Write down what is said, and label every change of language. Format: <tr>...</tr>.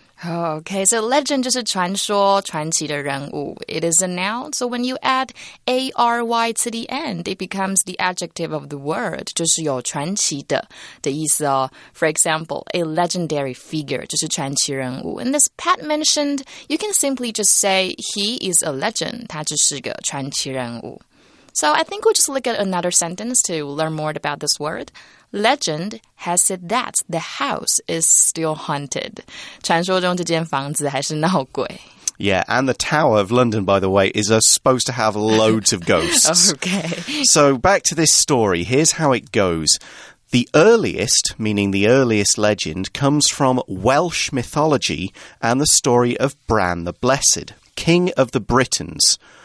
<en>Okay, so legend</en> <zh>就是传说传奇的人物</zh> <en>It is a noun, so when you add A-R-Y to the end, it becomes the adjective of the word,</en> <zh>就是有传奇的意思哦</zh> <en>For example, a legendary figure,</en> <zh>就是传奇人物</zh> <en>And as Pat mentioned, you can simply just say, he is a legend,</en> <zh>他就是个传奇人物</zh> <en>So I think we'll just look at another sentence to learn more about this wordLegend has said that the house is still haunted.</en> <zh>传说中这间房子还是闹鬼。</zh> <en>Yeah, and the Tower of London, by the way, is supposed to have loads of ghosts. Okay. So back to this story. Here's how it goes. The earliest, meaning the earliest legend, comes from Welsh mythology and the story of Bran the Blessed, king of the Britons.</en>